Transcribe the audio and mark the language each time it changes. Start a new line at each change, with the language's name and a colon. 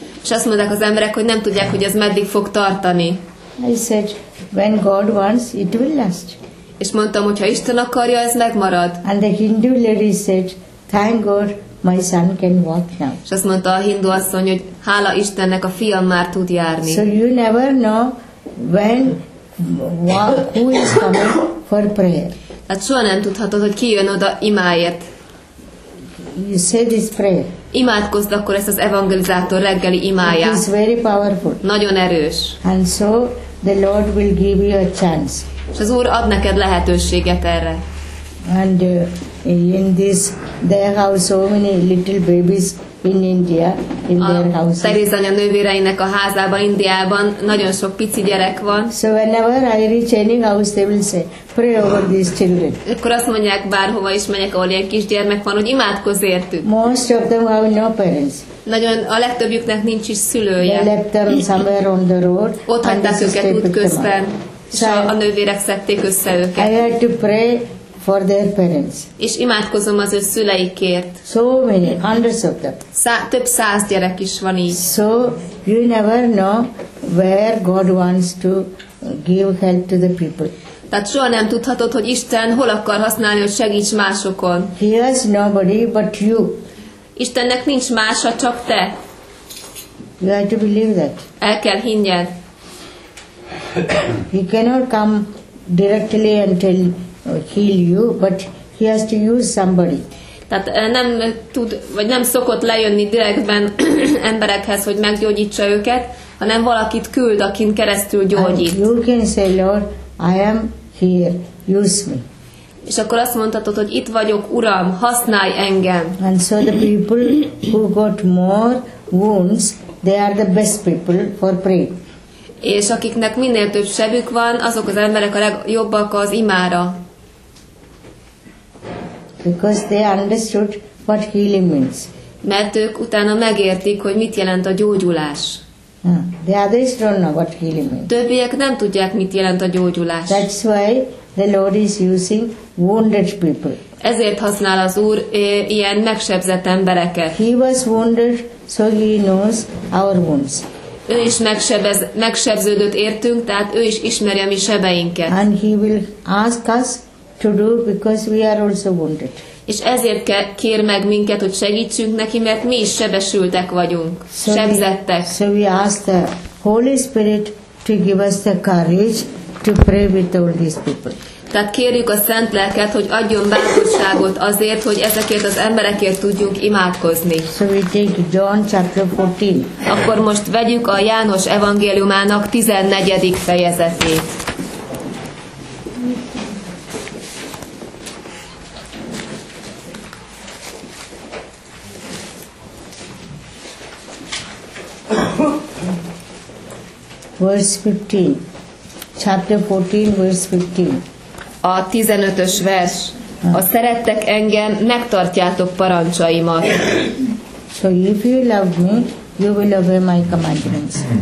Hungarian: És azt mondták az emberek, hogy nem tudják, hogy ez meddig fog tartani.
English: I said, when God wants, it will last.
Hungarian: És mondtam, hogy ha Isten akarja, ez megmarad.
English: And the Hindu lady said, thank God, my son can walk now.
Hungarian: És azt mondta a hindu asszony, hogy hála Istennek, a fiam már tud járni.
English: So you never know when, who is coming for prayer.
Hungarian: Tehát soha nem tudhatod, hogy ki jön oda imáért.
English: You say this prayer.
Hungarian: Imádkozd akkor ezt az evangelizátor reggeli imáját.
English: It is very powerful.
Hungarian: Nagyon erős.
English: And so the Lord will give you a chance.
Hungarian: És az Úr ad neked lehetőséget erre.
English: And in this, they have so many little babies in India, in their houses.
Hungarian: Teréz anya nővéreinek a házában, Indiában nagyon sok pici gyerek van.
English: So whenever I reach any house, they will say, pray over these children.
Hungarian: Akkor azt mondják, bárhova is menjek, ahol ilyen kisgyermek van, hogy imádkozz értük.
English: Most of them have no parents.
Hungarian: Nagyon, a legtöbbjüknek nincs is szülője.
English: They left them somewhere on the road.
Hungarian: Ott hagyták őket útközben, és a nővérek szedték össze őket.
English: I had to pray for their parents.
Hungarian: És imádkozom az ő szüleikért.
English: So many, hundreds of them.
Hungarian: Több száz gyerek is van így.
English: So you never know where God wants to give help to the people.
Hungarian: Tehát soha nem tudhatod, hogy Isten hol akar használni, hogy segíts másokon.
English: He has nobody but you.
Hungarian: Istennek nincs mása, csak te.
English: You have to believe that.
Hungarian: El kell hinned.
English: He cannot come directly and tell heal you, but he has to use somebody.
Hungarian: Tehát nem tud, vagy nem szokott lejönni direktben emberekhez, hogy meggyógyítsa őket, hanem valakit küld, akin keresztül gyógyít.
English: And you can say, Lord, I am here, use me.
Hungarian: És akkor azt mondhatod, hogy itt vagyok, Uram, használj engem.
English: And so the people who got more wounds, they are the best people for prayer.
Hungarian: És akiknek minél több sebük van, azok az emberek a legjobbak az imára.
English: Because they understood what healing means.
Hungarian: Mert ők utána megértik, hogy mit jelent a gyógyulás.
English: The others don't know what healing means.
Hungarian: Többiek nem tudják, mit jelent a gyógyulás.
English: That's why the Lord is using wounded people.
Hungarian: Ezért használ az Úr ilyen megsebzett embereket.
English: He was wounded, so he knows our wounds.
Hungarian: Ő is megsebződött értünk, tehát ő is ismeri a mi sebeinket.
English: And he will ask us to do because we are also wounded.
Hungarian: És ezért kér meg minket, hogy segítsünk neki, mert mi is sebesültek vagyunk, so sebzettek.
English: So we ask the Holy Spirit to give us the courage to pray with all these people.
Hungarian: Tehát kérjük a Szent Lelket, hogy adjon bátorságot azért, hogy ezekért az emberekért tudjunk imádkozni.
English: So we take John chapter 14.
Hungarian: Akkor most vegyük a János evangéliumának 14. fejezetét.
English: Verse 15. Chapter 14, verse 15.
Hungarian: A 15-ös vers. Ha szerettek engem, megtartjátok parancsaimat.
English: So if you love me, you will obey my commandments.